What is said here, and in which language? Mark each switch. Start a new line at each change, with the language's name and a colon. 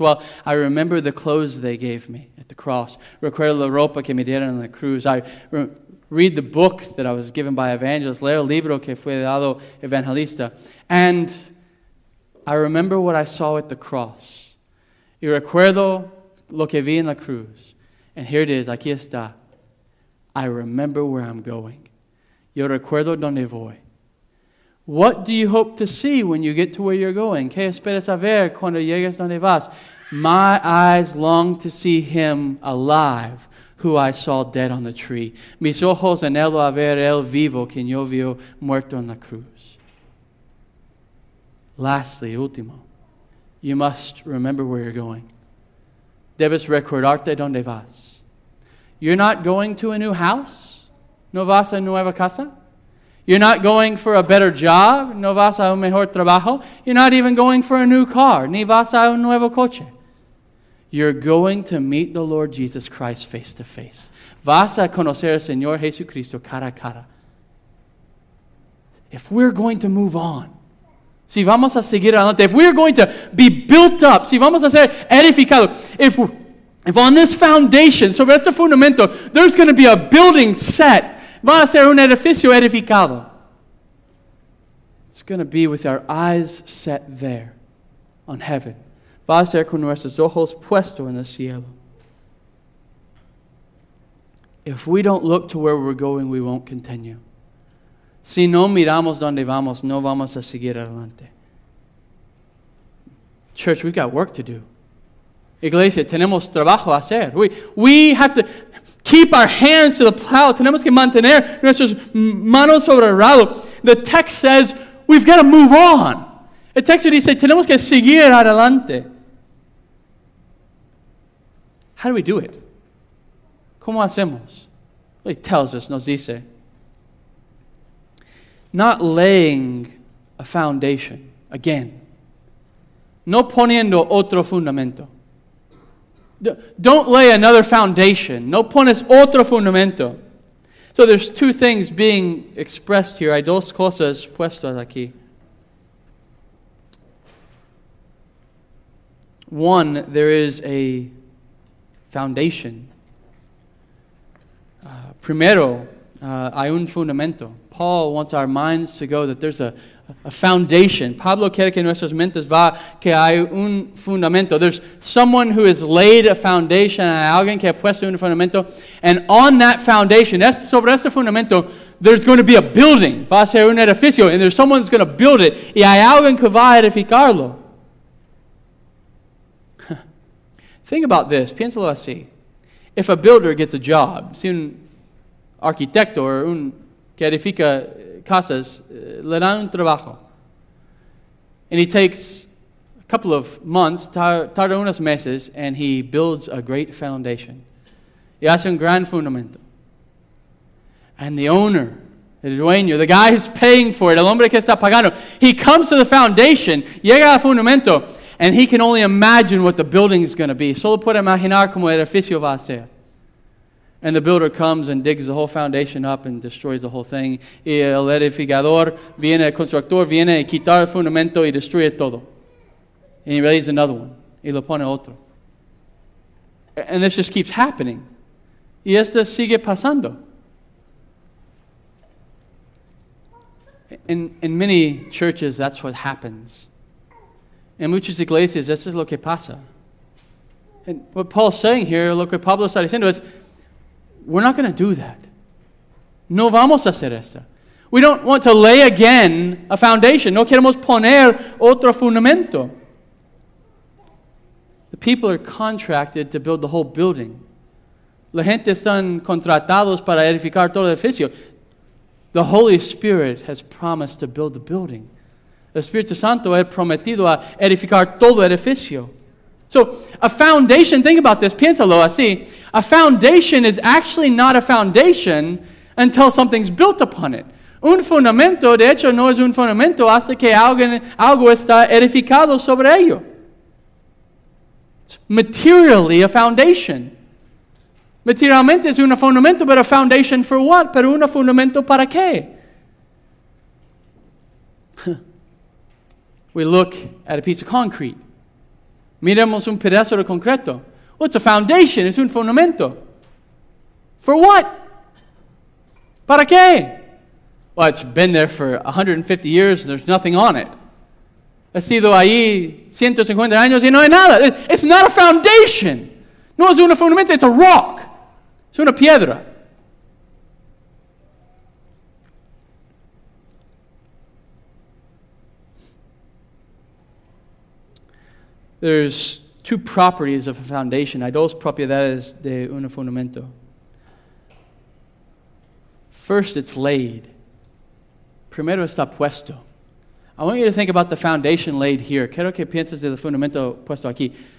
English: Well, I remember the clothes they gave me at the cross.
Spanish: Recuerdo la ropa que me dieron en la cruz.
English: Read the book that I was given by evangelist.
Spanish: Leo el libro que fue dado evangelista.
English: And I remember what I saw at the cross.
Spanish: Y recuerdo lo que vi en la cruz.
English: And here it is.
Spanish: Aquí está.
English: I remember where I'm going.
Spanish: Yo recuerdo donde voy.
English: What do you hope to see when you get to where you're going?
Spanish: ¿Qué esperas a ver cuando llegas donde vas?
English: My eyes long to see him alive, who I saw dead on the tree.
Spanish: Mis ojos anhelo a ver el vivo, quien yo vio muerto en la cruz.
English: Lastly, último, you must remember where you're going.
Spanish: Debes recordarte donde vas.
English: You're not going to a new house.
Spanish: No vas a nueva casa.
English: You're not going for a better job.
Spanish: No vas a un mejor trabajo.
English: You're not even going for a new car.
Spanish: Ni vas a un nuevo coche.
English: You're going to meet the Lord Jesus Christ face to face.
Spanish: Vas a conocer al Señor Jesucristo cara a cara.
English: If we're going to move on,
Spanish: si vamos a seguir adelante,
English: if we're going to be built up,
Spanish: si vamos a ser edificado,
English: if on this foundation,
Spanish: sobre este fundamento,
English: there's going to be a building set,
Spanish: va a ser un edificio edificado.
English: It's going to be with our eyes set there on heaven.
Spanish: Va a ser con nuestros ojos puestos en el cielo.
English: If we don't look to where we're going, we won't continue.
Spanish: Si no miramos donde vamos, no vamos a seguir adelante.
English: Church, we've got work to do.
Spanish: Iglesia, tenemos trabajo a hacer.
English: We have to keep our hands to the plow.
Spanish: Tenemos que mantener nuestras manos sobre el rado.
English: The text says we've got to move on.
Spanish: El texto dice tenemos que seguir adelante.
English: How do we do it?
Spanish: ¿Cómo hacemos?
English: Well, he tells us,
Spanish: nos dice.
English: Not laying a foundation again.
Spanish: No poniendo otro fundamento.
English: Don't lay another foundation.
Spanish: No pones otro fundamento.
English: So there's two things being expressed here.
Spanish: Hay dos cosas puestas aquí.
English: One, there is a foundation.
Spanish: Primero, hay un fundamento.
English: Paul wants our minds to go that there's a foundation.
Spanish: Pablo quiere que nuestras mentes va que hay un fundamento.
English: There's someone who has laid a foundation,
Spanish: hay alguien que ha puesto un fundamento,
English: and on that foundation,
Spanish: sobre ese fundamento,
English: there's going to be a building.
Spanish: Va a ser un edificio,
English: and there's someone who's going to build it,
Spanish: y hay alguien que va a edificarlo.
English: Think about this.
Spanish: Piénsalo así.
English: If a builder gets a job,
Spanish: si un arquitecto or un que edifica casas, le dan un trabajo.
English: And he takes a couple of months,
Spanish: tarda unos meses,
English: and he builds a great foundation.
Spanish: Y hace un gran fundamento.
English: And the owner,
Spanish: el dueño,
English: the guy who's paying for it,
Spanish: el hombre que está pagando,
English: he comes to the foundation,
Spanish: llega al fundamento,
English: and he can only imagine what the building is going to be.
Spanish: Solo puede imaginar cómo el edificio va a ser.
English: And the builder comes and digs the whole foundation up and destroys the whole thing.
Spanish: Y el edificador viene, el constructor viene y quita el fundamento y destruye todo.
English: And he lays another one.
Spanish: Y lo pone otro.
English: And this just keeps happening.
Spanish: Y esto sigue pasando.
English: In many churches, that's what happens.
Spanish: En muchas iglesias, eso es lo que pasa.
English: And what Paul's saying here,
Spanish: lo que Pablo está diciendo es,
English: we're not going to do that.
Spanish: No vamos a hacer esto.
English: We don't want to lay again a foundation.
Spanish: No queremos poner otro fundamento.
English: The people are contracted to build the whole building.
Spanish: La gente están contratados para edificar todo el edificio.
English: The Holy Spirit has promised to build the building.
Spanish: El Espíritu Santo ha prometido a edificar todo el edificio.
English: So, a foundation, think about this,
Spanish: piénsalo así,
English: a foundation is actually not a foundation until something's built upon it.
Spanish: Un fundamento, de hecho, no es un fundamento hasta que algo está edificado sobre ello.
English: It's materially a foundation.
Spanish: Materialmente es un fundamento,
English: but a foundation for what?
Spanish: Pero un fundamento para qué?
English: We look at a piece of concrete.
Spanish: Miremos un pedazo de concreto.
English: Well, it's a foundation. It's un fundamento. For what?
Spanish: ¿Para qué?
English: Well, it's been there for 150 years and there's nothing on it.
Spanish: Ha sido ahí 150 años y no hay nada.
English: It's not a foundation.
Spanish: No es un fundamento.
English: It's a rock.
Spanish: Es una piedra.
English: There's two properties of a foundation.
Spanish: Hay dos propiedades de un fundamento.
English: First, it's laid.
Spanish: Primero está puesto.
English: I want you to think about the foundation laid here.
Spanish: Quiero que pienses de el fundamento puesto aquí.